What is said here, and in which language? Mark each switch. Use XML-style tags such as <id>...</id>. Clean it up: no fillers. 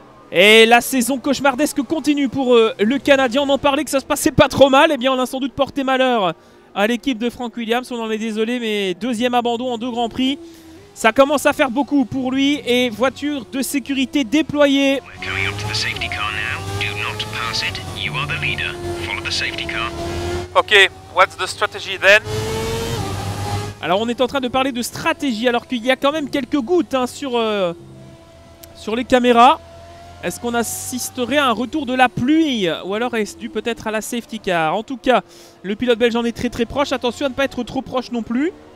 <fr>Et la saison cauchemardesque continue pour le Canadien. On en parlait que ça se passait pas trop mal. Eh bien, on a sans doute porté malheur à l'équipe de Frank Williams. On en est désolé, mais deuxième abandon en deux Grands Prix. Ça commence à faire beaucoup pour lui et voiture de sécurité déployée.</fr> <en>We're coming up to the safety car now. Do not pass it. You are the leader. Follow the safety car. Okay, what's the strategy then?</en> <fr>Alors on est en train de parler de stratégie alors qu'il y a quand même quelques gouttes hein, sur les caméras. Est-ce qu'on assisterait à un retour de la pluie ou alors est-ce dû peut-être à la safety car? En tout cas, le pilote belge en est très très proche. Attention à ne pas être trop proche non plus.</fr>